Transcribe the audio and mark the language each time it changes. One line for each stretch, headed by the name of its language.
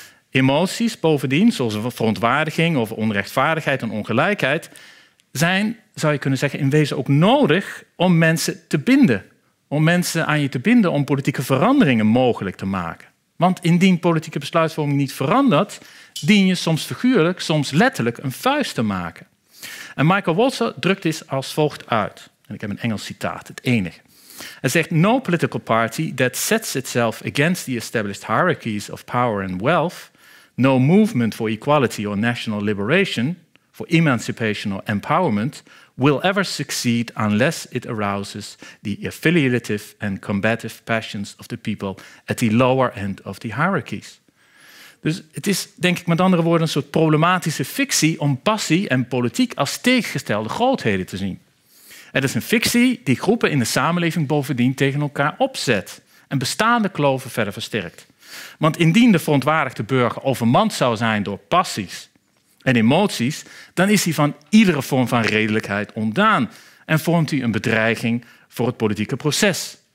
Dutch: Emoties bovendien, zoals verontwaardiging over onrechtvaardigheid en ongelijkheid, zijn, zou je kunnen zeggen, in wezen ook nodig om mensen te binden. Om mensen aan je te binden om politieke veranderingen mogelijk te maken. Want indien politieke besluitvorming niet verandert, dien je soms figuurlijk, soms letterlijk een vuist te maken. En Michael Walzer drukt dit als volgt uit. En ik heb een Engels citaat, het enige. Hij zegt,
English: no political party that sets itself against the established hierarchies of power and wealth, no movement for equality or national liberation, for emancipation or empowerment, will ever succeed unless it arouses the affiliative and combative passions of the people at the lower end of the hierarchies.
Dutch: Dus het is, denk ik met andere woorden, een soort problematische fictie om passie en politiek als tegengestelde grootheden te zien. Het is een fictie die groepen in de samenleving bovendien tegen elkaar opzet en bestaande kloven verder versterkt. Want indien de verontwaardigde burger overmand zou zijn door passies en emoties, dan is hij van iedere vorm van redelijkheid ontdaan en vormt hij een bedreiging voor het politieke proces.